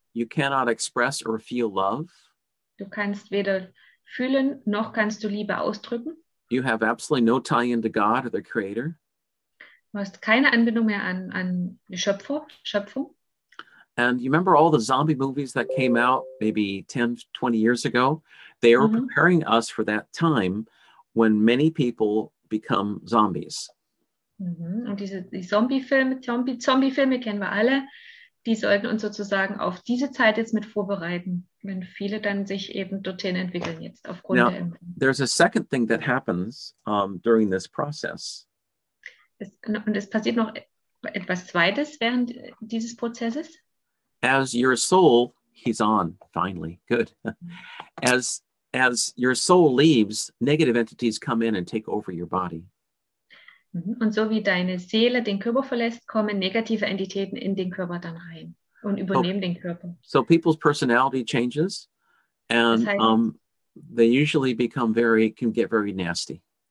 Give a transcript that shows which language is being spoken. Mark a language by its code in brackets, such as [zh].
[en] You cannot express or feel love. [de] Du kannst weder fühlen, noch kannst du Liebe ausdrücken. [en] You have absolutely no tie into God or the Creator. [de] Du hast keine Anbindung mehr an die Schöpfung. [en] And you remember all the zombie movies that came out maybe 10, 20 years ago? They were preparing us for that time when many people become zombies. [de] Und diese Zombie-Filme kennen wir alle. Die sollten uns sozusagen auf diese Zeit jetzt mit vorbereiten, wenn viele dann sich eben dorthin entwickeln jetzt aufgrund [en] Now, [de] der Impfung. [en] There's a second thing that happens during this process. [de] Es passiert noch etwas Zweites während dieses Prozesses. [en] As your soul, he's on, finally, good. As your soul leaves, negative entities come in and take over your body. [de] Und so wie deine Seele den Körper verlässt, kommen negative Entitäten in den Körper dann rein und übernehmen den Körper. [en] So people's personality changes and [de] das heißt, [en] they usually become very, can get very nasty.